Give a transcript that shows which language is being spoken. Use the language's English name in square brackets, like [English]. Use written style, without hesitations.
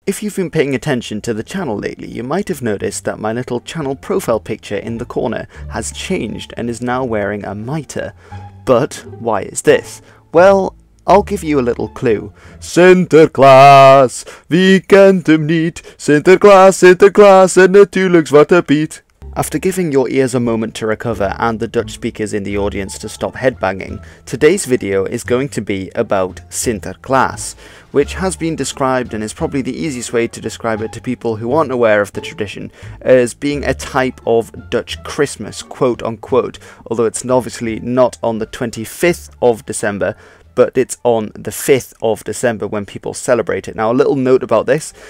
[English] If you've been paying attention to the channel lately, you might have noticed that my little channel profile picture in the corner has changed and is now wearing a mitre. But why is this? Well, I'll give you a little clue. [Dutch] Sinterklaas, we kent hem niet. Sinterklaas, Sinterklaas, en natuurlijk Zwarte Piet. [English] After giving your ears a moment to recover and the Dutch speakers in the audience to stop headbanging, today's video is going to be about Sinterklaas, which has been described and is probably the easiest way to describe it to people who aren't aware of the tradition as being a type of Dutch Christmas, quote unquote, although it's obviously not on the 25th of December, but it's on the 5th of December when people celebrate it. Now, a little note about this.